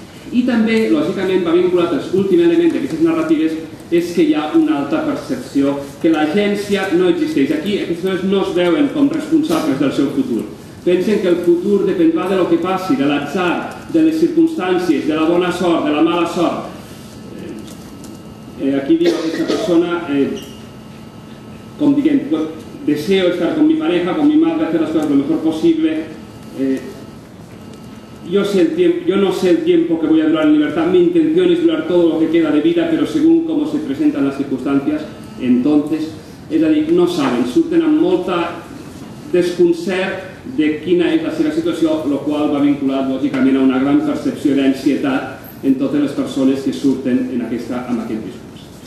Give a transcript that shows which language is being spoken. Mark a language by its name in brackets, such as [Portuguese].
[Catalan] I també, lògicament, va vinculat l'últim element d'aquestes narratives, és que hi ha una alta percepció que l'agència no existeix. Aquí aquestes persones no es veuen com responsables del seu futur. Pensen que el futur dependrà de lo que passi, de l'atzar, de les circumstàncies, de la bona sort, de la mala sort. Aquí diu aquesta persona, com diguem, pues, [Spanish] deseo estar con mi pareja, con mi madre, hacer las cosas lo mejor posible. Yo no sé el tiempo que voy a durar en libertad, mi intención es durar todo lo que queda de vida, pero según cómo se presentan las circunstancias, entonces, es decir, no saben, [Catalan] surten amb molta desconcert de quina és la seva situació, lo cual va vinculat, lògicament, a una gran percepció d'ansietat en totes les persones que surten amb aquest discurs.